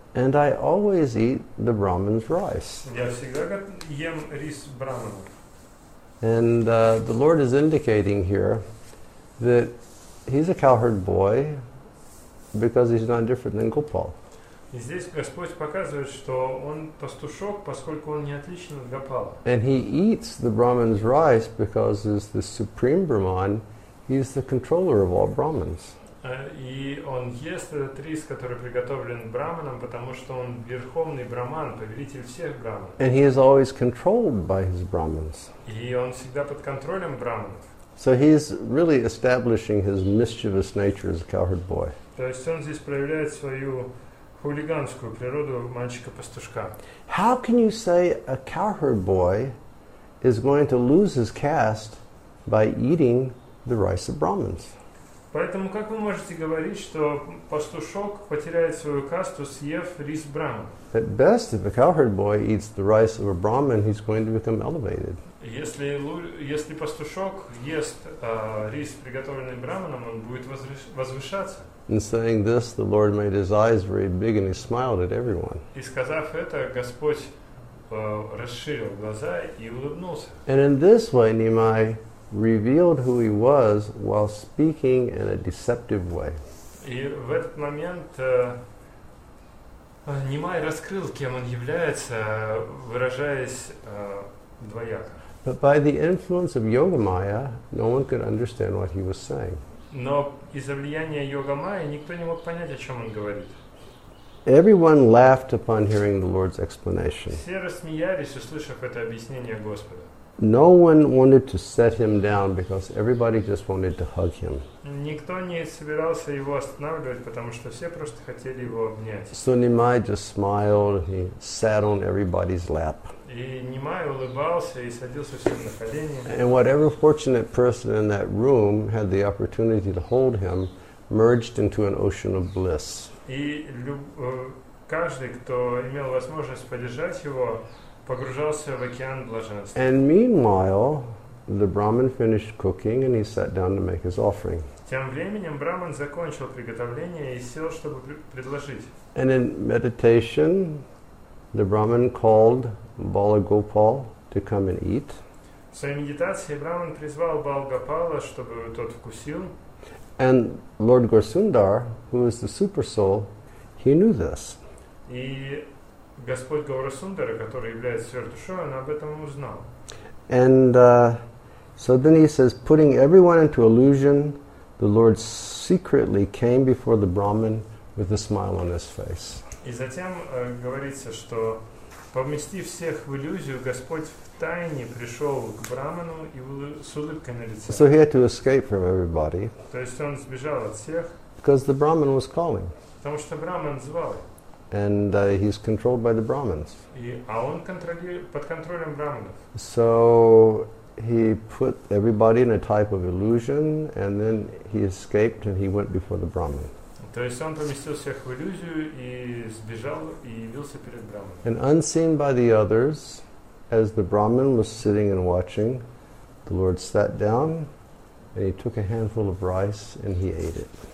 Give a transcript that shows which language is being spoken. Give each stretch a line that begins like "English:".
English: And I always eat the Brahmin's rice.
Russian: Я всегда ем рис Брахмана.
English: And the Lord is indicating here that he's a cowherd boy because he's not different than Gopal.
Russian: И здесь Господь показывает, что он пастушок, поскольку он не отличен от Гопала.
English: And he eats the Brahmin's rice because as the supreme Brahman, he's the controller of all Brahmins.
Russian: И он ест этот рис, который приготовлен Брахманом, потому что он верховный Брахман, повелитель всех Брахманов.
English: And he is always controlled by his Brahmins.
Russian: И он всегда под контролем Брахманов.
English: So he is really establishing his mischievous nature as a cowherd boy.
Russian: То есть он здесь проявляет свою хулиганскую природу мальчика-пастушка.
English: How can you say a cowherd boy is going to lose his caste by eating the rice of Brahmins?
Russian: Поэтому как вы можете говорить, что пастушок потеряет свою касту, съев рис брахмана?
English: At best, if a cowherd boy eats the rice of a Brahmin, he's going to become elevated.
Russian: Если пастушок ест рис, приготовленный брахманом, он будет возвышаться.
English: In saying this, the Lord made his eyes very big and he smiled at everyone.
Russian: И сказав это, Господь расширил глаза и улыбнулся.
English: And in this way, Nimai revealed who he was while speaking in a deceptive way.
Russian: И в этот момент Нимай раскрыл, кем он является, выражаясь двояко.
English: But by the influence of Yogamaya, no one could understand what he was saying.
Russian: Но из-за влияния Йогамайи никто не мог понять, о чем он говорит.
English: Everyone laughed upon hearing the Lord's explanation.
Russian: Все рассмеялись, услышав это объяснение Господа.
English: No one wanted to set him down because everybody just wanted to hug him.
Russian: Никто не собирался его останавливать, потому что все просто хотели его обнять.
English: So Nimai just smiled, he sat on everybody's lap.
Russian: И Нимай улыбался и садился всем на колени.
English: And whatever fortunate person in that room had the opportunity to hold him merged into an ocean of bliss.
Russian: И каждый, кто имел возможность подержать его, погружался в океан блаженства.
English: And meanwhile, the Brahmin finished cooking and he sat down to make his offering.
Russian: Тем временем Брахман закончил приготовление и сел, чтобы предложить.
English: And in meditation, the Brahmin called Balagopal to come and eat.
Russian: В своей медитации Брахман призвал Балагопала, чтобы тот вкусил.
English: And Lord Gaurasundara, who is the super soul, he knew this.
Russian: И Господь Гаурасундара, который является сверхдушой, он об этом узнал.
English: And so then he says, putting everyone into illusion, the Lord secretly came before the Brahmin with a smile on his face.
Russian: И затем говорится, что поместив всех в иллюзию, Господь втайне пришел к Брахману и с улыбкой на лице.
English: So he had to escape from everybody.
Russian: То есть он сбежал от всех.
English: Because the Brahmin was calling.
Russian: Потому что Брахман звал.
English: And he's controlled by the Brahmins.
Russian: А он под контролем Брахманов.
English: So he put everybody in a type of illusion, and then he escaped and he went before the Brahmin.
Russian: То есть он поместил всех в иллюзию и сбежал и явился перед Брахманом.
English: And unseen by the others, as the Brahmin was sitting and watching, the Lord sat down and he took a handful of rice and he ate it.